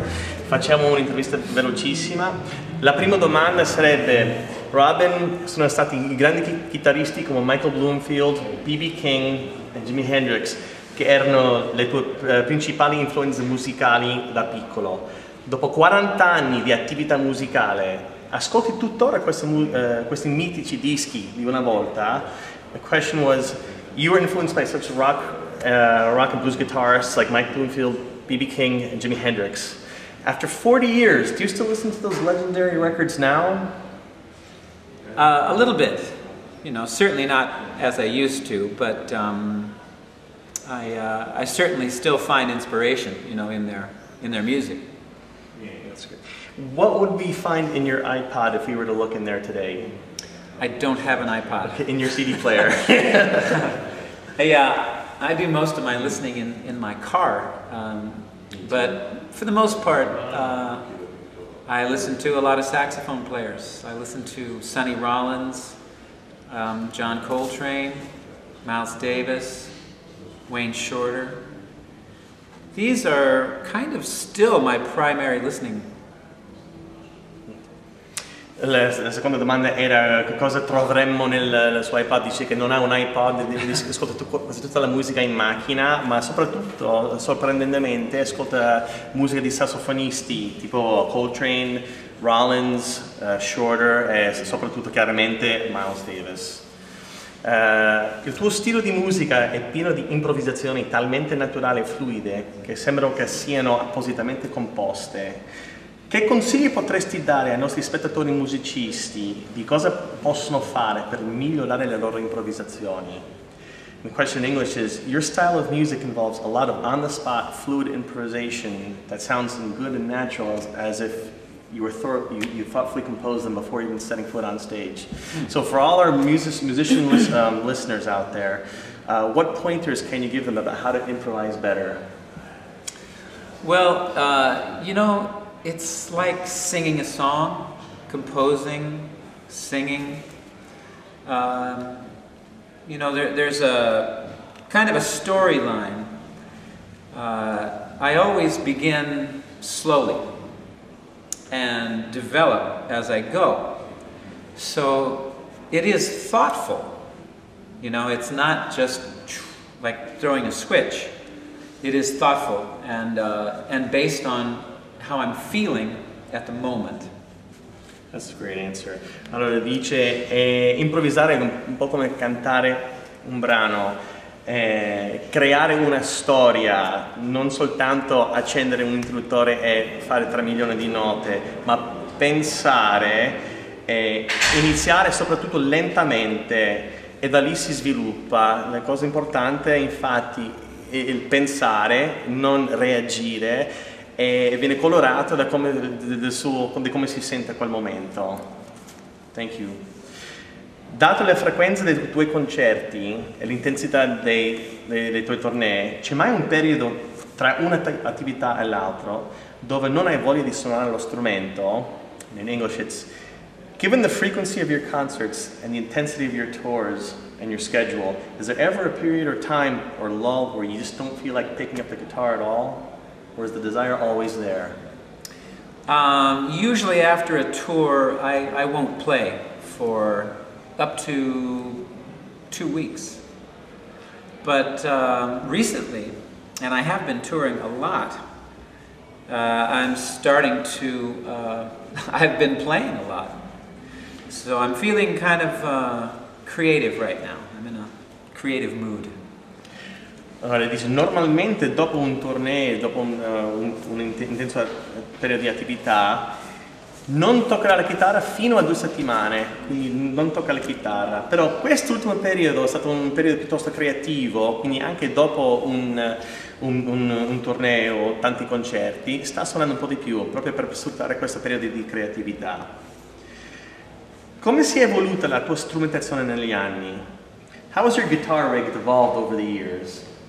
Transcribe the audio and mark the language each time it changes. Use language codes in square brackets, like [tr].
[it] Facciamo un'intervista velocissima. La prima domanda sarebbe: Robben, sono stati i grandi chitarristi come Michael Bloomfield, B.B. King e Jimi Hendrix che erano le tue principali influenze musicali da piccolo. Dopo 40 anni di attività musicale, ascolti tuttora questi mitici dischi di una volta? [en] The question was, you were influenced by such rock and blues guitarists like Mike Bloomfield, B.B. King and Jimi Hendrix. After 40 years, do you still listen to those legendary records now? A little bit. You know, certainly not as I used to, but I certainly still find inspiration, you know, in their music. What would we find in your iPod if we were to look in there today? I don't have an iPod. In your CD player. Yeah, I do most of my listening in my car, but for the most part, I listen to a lot of saxophone players. I listen to Sonny Rollins, John Coltrane, Miles Davis, Wayne Shorter. These are kind of still my primary listening. [it] La seconda domanda era che cosa troveremmo nel suo iPod. Dice che non ha un iPod, ascolta quasi tutta la musica in macchina, ma soprattutto, sorprendentemente, ascolta musica di sassofonisti tipo Coltrane, Rollins, Shorter e soprattutto chiaramente Miles Davis. Il tuo stile di musica è pieno di improvvisazioni talmente naturali e fluide che sembrano che siano appositamente composte. Che consigli potresti dare ai nostri spettatori musicisti di cosa possono fare per migliorare le loro improvvisazioni? [en] The question in English is, your style of music involves a lot of on-the-spot, fluid improvisation that sounds good and natural as if you thoughtfully composed them before even setting foot on stage. So for all our musician listeners out there, what pointers can you give them about how to improvise better? Well, you know, it's like singing a song, composing, singing. You know, there's a kind of a storyline. I always begin slowly and develop as I go. So it is thoughtful. You know, it's not just like throwing a switch. It is thoughtful and based on how I'm feeling at the moment. That's a great answer. [it] Allora dice, improvvisare è un po' come cantare un brano, creare una storia, non soltanto accendere un interruttore e fare 3 milioni di note, ma pensare e iniziare soprattutto lentamente e da lì si sviluppa. La cosa importante è infatti il pensare, non reagire, e viene colorato da come di come si sente a quel momento. [en] Thank you. [it] Dato la frequenza dei tuoi concerti e l'intensità dei tuoi tournée, c'è mai un periodo tra una attività e l'altro dove non hai voglia di suonare lo strumento? [en] In English it's, given the frequency of your concerts and the intensity of your tours and your schedule, is there ever a period or time or lull where you just don't feel like picking up the guitar at all? Or is the desire always there? Usually after a tour, I won't play for up to 2 weeks. But recently, and I have been touring a lot, I've been playing a lot. So I'm feeling kind of creative right now. I'm in a creative mood. [it] Allora, dice, normalmente dopo un tournée, dopo un intenso periodo di attività, non toccherà la chitarra fino a 2 settimane, quindi non tocca la chitarra. Però quest'ultimo periodo è stato un periodo piuttosto creativo, quindi anche dopo un tournée o tanti concerti, sta suonando un po' di più, proprio per sfruttare questo periodo di creatività. Come si è evoluta la tua strumentazione negli anni? [en] How has your guitar rig evolved over the years?